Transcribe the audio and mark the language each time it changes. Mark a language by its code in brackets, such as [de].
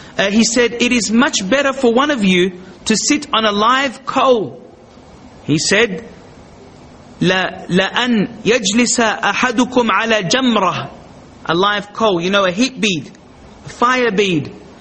[en] He said, it is much better for one of you to sit on a live coal. He said, [ar] لَأَنْ يَجْلِسَ أَحَدُكُمْ عَلَى جَمْرَهُ. [en] A live coal, you know, a heat bead, a fire bead.